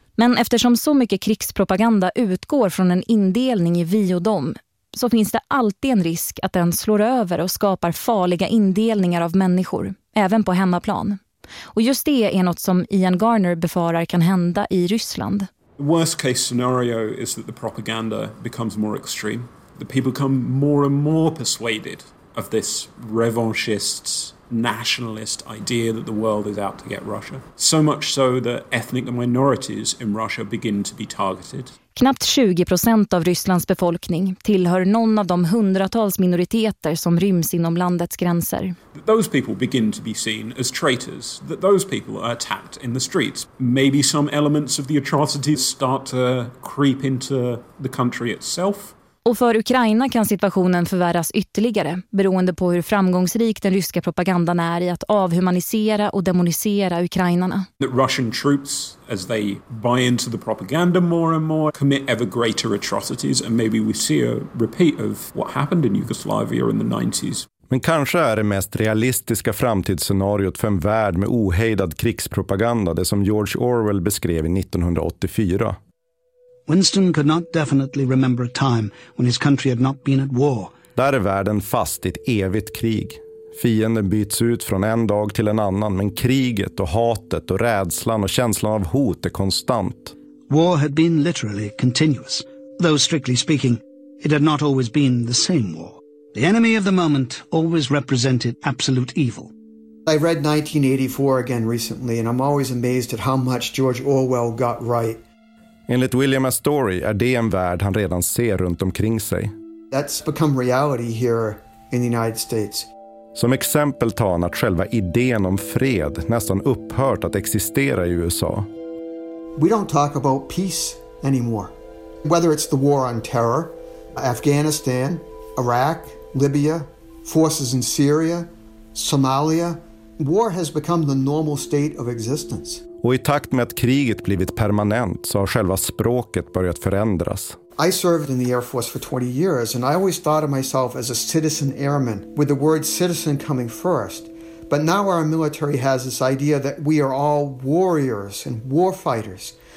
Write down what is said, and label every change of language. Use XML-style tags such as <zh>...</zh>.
<sv>Men eftersom så mycket krigspropaganda utgår från en indelning i vi och dem, så finns det alltid en risk att den slår över och skapar farliga indelningar av människor, även på hemmaplan. Och just det är något som Ian Garner befarar kan hända i Ryssland.</sv> <en>The worst case scenario is that the propaganda becomes more extreme. The people become more and more persuaded of this revanchist nationalist idea that the world is out to get Russia. So much so that ethnic minorities in Russia begin to be targeted.</en> <sv>Knappt 20% av Rysslands befolkning tillhör någon av de hundratals minoriteter som ryms inom landets gränser.</sv> <en>Those people begin to be seen as traitors. That those people are attacked in the streets. Maybe some elements of the atrocities start to creep into the country itself.</en> <sv>Och för Ukraina kan situationen förvärras ytterligare, beroende på hur framgångsrik den ryska propagandan är i att avhumanisera och demonisera ukrainarna.</sv> <en>The Russian troops, as they buy into the propaganda more and more, commit ever greater atrocities, and maybe we see a repeat of what happened in Yugoslavia in the 90s.</en> <sv>Men kanske är det mest realistiska framtidsscenariot för en värld med ohejdad krigspropaganda det som George Orwell beskrev i 1984.</sv> <en>Winston could not definitely remember a time when his country had not been at war.</en> <sv>Där är världen fast i ett evigt krig. Fienden byts ut från en dag till en annan, men kriget och hatet och rädslan och känslan av hot är konstant.</sv> <en>War had been literally continuous, though strictly speaking, it had not always been the same war. The enemy of the moment always represented absolute evil. I read 1984 again recently, and I'm always amazed at how much George Orwell got right.</en> <sv>Enligt William Astori är det en värld han redan ser runt omkring sig.</sv> <en>That's become reality here in the United States.</en> <sv>Som exempel tar han att själva idén om fred nästan upphört att existera i USA.</sv> <en>We don't talk about peace anymore. Whether it's the war on terror, Afghanistan, Iraq, Libya, forces in Syria, Somalia, war has become the normal state of existence.</en> <sv>Och i takt med att kriget blivit permanent så har själva språket börjat förändras.</sv> <en>I served in the Air Force for 20 years, and I always thought of myself as a citizen airman, with the word citizen coming first. But now our military has this idea that we are all warriors and warfighters.</en>